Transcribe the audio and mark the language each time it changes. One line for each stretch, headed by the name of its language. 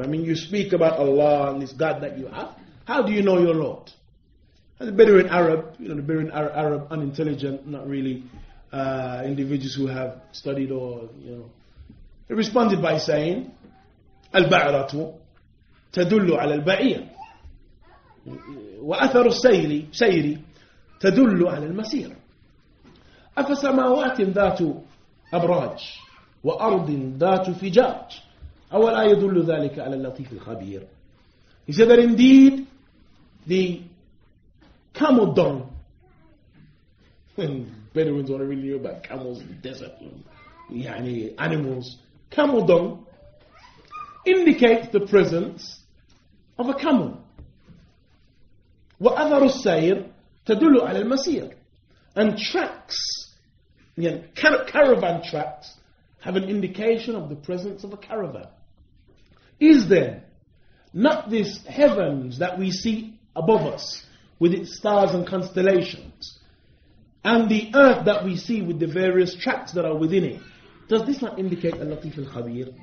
English: I mean, you speak about Allah and this God that you have. How do you know your Lord? And the Bedouin Arab, the Bedouin Arab, unintelligent, not really individuals who have studied he responded by saying, Al-Ba'ratu tadullu ala al-ba'iyya.
Arabic: وأثر السير تدل على المسير. أفسماوات ذات أبراج وأرض ذات فجاج أولا يدل ذلك على اللطيف الخبير.
English: He said that indeed the camel dung. Bedouins don't really know about camels in the desert. يعني animals. Camel dung indicates the presence of a camel.
Arabic: وأثر السير تدل على المسير.
English: And tracks, caravan tracks, have an indication of the presence of a caravan. Is there not this heavens that we see above us with its stars and constellations, and the earth that we see with the various tracks that are within it, does this not indicate Al-Latif Al-Khabir?